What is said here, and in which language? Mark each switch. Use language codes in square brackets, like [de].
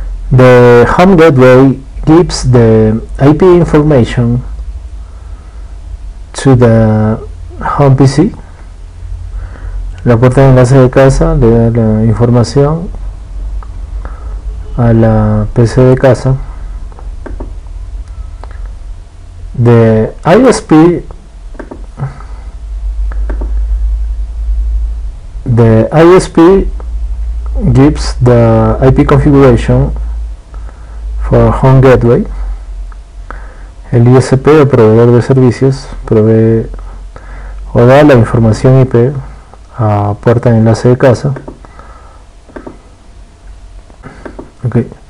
[en] The home gateway gives the IP information to the home PC. [es] La puerta de enlace de casa le da la información a la PC de casa. [en] The ISP, gives the IP configuration for home gateway. [es] El ISP, o proveedor de servicios, provee o da la información IP a puerta de enlace de casa. [en] Okay.